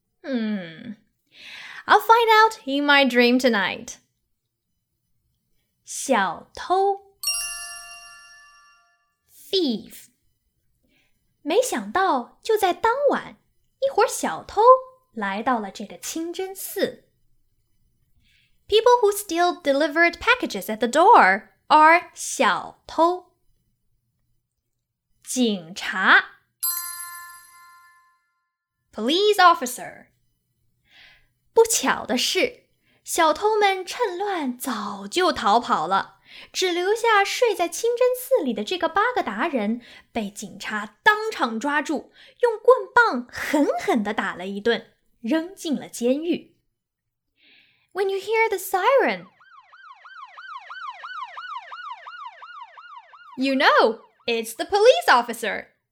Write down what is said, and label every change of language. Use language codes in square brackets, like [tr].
[en] I'll find out in my dream tonight. [zh] 小偷 Thief 没想到就在当晚，一伙小偷来到了这个清真寺。 [en] People who steal delivered packages at the door are 小偷。 [zh] 警察 [en] Police officer [zh] 不巧的是，小偷们趁乱早就逃跑了，只留下睡在清真寺里的这个巴格达人被警察当场抓住，用棍棒狠狠地打了一顿，扔进了监狱。 [en] When you hear the siren, you know it's the police officer.